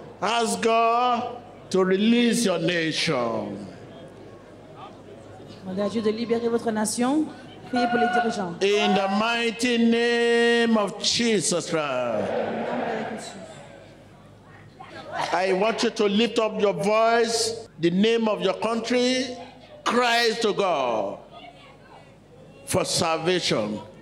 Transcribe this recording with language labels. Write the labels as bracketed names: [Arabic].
[English] Ask God to release your nation. [French] Demandez à Dieu de libérer votre nation. Priez pour les dirigeants. [English] In the mighty name of Jesus Christ. I want you to lift up your voice, the name of your country, cry to God for salvation.